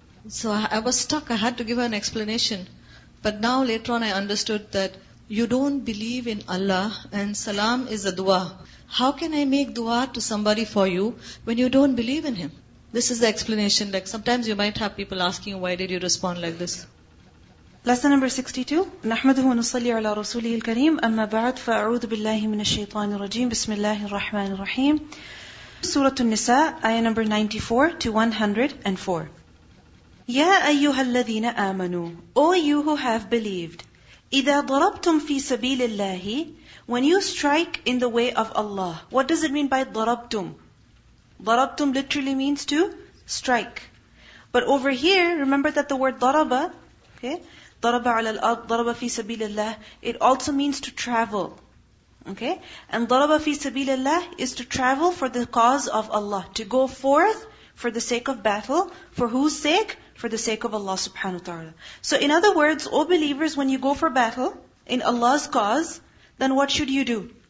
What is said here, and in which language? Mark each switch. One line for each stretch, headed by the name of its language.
English: So I was stuck. I had to give her an explanation. But now later on I understood that you don't believe in Allah and salam is a dua. How can I make dua to somebody for you when you don't believe in him? This is the explanation. Like sometimes you might have people asking, why did you respond like this? Lesson number 62.
Arabic: نَحْمَدُهُ وَنُصَلِّ عَلَىٰ رَسُولِهِ الْكَرِيمِ أَمَّا بَعَدْ فَأَعُوذُ بِاللَّهِ مِنَ الشَّيْطَانِ الرَّجِيمِ بِسْمِ اللَّهِ الرَّحْمَنِ الرَّحِيمِ
English: Surah An-Nisa, ayah number 94-104.
Arabic: يَا أَيُّهَا الَّذِينَ آمَنُوا
English: O you who have believed,
Arabic: إِذَا ضَرَبْتُمْ فِي سَبِيلِ اللَّهِ
English: When you strike in the way of Allah. What does it mean by ضَرَبْتُمْ? ضَرَبْتُمْ literally means to strike. But over here, remember that the word ضَرَبَ Okay?
Arabic: ضرب على الأرض ضرب في سبيل الله.
English: It also means to travel. Okay? And
Arabic: ضرب في سبيل الله
English: is to travel for the cause of Allah. To go forth for the sake of battle. For whose sake? For the sake of Allah subhanahu wa ta'ala. So in other words, O believers, when you go for battle in Allah's cause, then what should you do?